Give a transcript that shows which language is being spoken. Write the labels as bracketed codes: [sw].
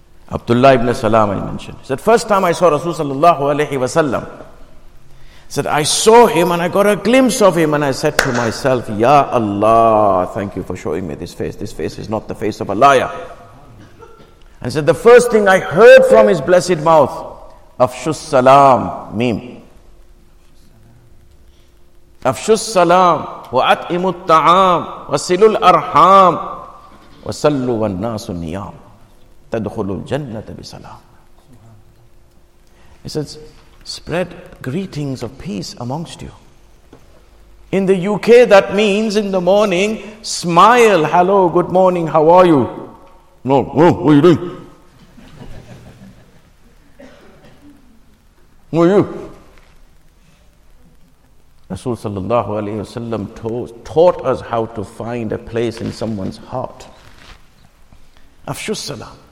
[en] Abdullah ibn Salam, I mentioned. He said, first time I saw Rasul sallallahu alaihi wasallam, said, I saw him and I got a glimpse of him and I said to myself, Ya Allah, thank you for showing me this face. This face is not the face of a liar. And said, the first thing I heard from his blessed mouth, [ar] Afshus Salam, [en] meme. [ar] Afshus Salam. وَأَطْعِمُوا الطَّعَامَ وَصِلُوا الْأَرْحَامَ وَصَلُّوا وَالنَّاسُ النِّيَامَ تَدْخُلُوا الْجَنَّةَ بِسَلَامٍ. [en] He says, spread greetings of peace amongst you. In the UK, that means in the morning, smile, hello, good morning, how are you? No, no, what are you doing? Who are you? Rasul sallallahu alayhi wa sallam taught us how to find a place in someone's heart. [ar] Afshus salam.